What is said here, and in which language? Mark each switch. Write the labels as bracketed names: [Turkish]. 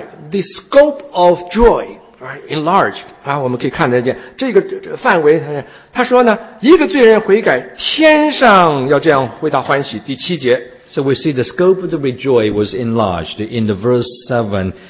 [English] The scope of joy, right, enlarged. [Chinese] 啊，我们可以看得见这个范围。他说呢，一个罪人悔改，天上要这样为他欢喜。第七节。 [English] So we see the scope of the rejoy was enlarged in the verse 7.